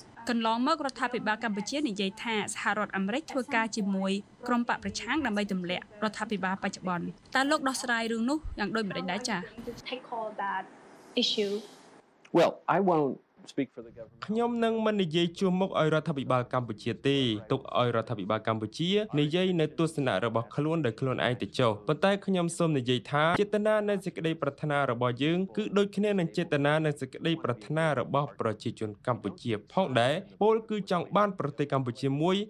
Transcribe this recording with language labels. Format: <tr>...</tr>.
<km>កន្លងមករដ្ឋាភិបាលកម្ពុជានិយាយថាសហរដ្ឋអាមេរិកធ្វើការជាមួយក្រុមបកប្រឆាំងដើម្បីទម្លាក់រដ្ឋាភិបាលបច្ចុប្បន្នតើលោកដោះស្រាយរឿងនោះយ៉ាងដូចម្តេចដែរចា</km> <en>Well I won'tSpeak for the government.</en> <km>ខ្ញុំនឹងមិននិយាយជួមមុខឲ្យរដ្ឋាភិបាលកម្ពុជាទេទុកឲ្យរដ្ឋាភិបាលកម្ពុជានិយាយនៅទស្សនៈរបស់ខ្លួនដោយខ្លួនឯងទៅចុះប៉ុន្តែខ្ញុំសូមនិយាយថាចេតនានៃសេចក្តីប្រាថ្នារបស់យើងគឺដូចគ្នានឹងចេតនានៃសេចក្តីប្រាថ្នារបស់ប្រជាជនកម្ពុជាផងដែរពោលគឺចង់បានប្រទេសកម្ពុជាមួយ</km>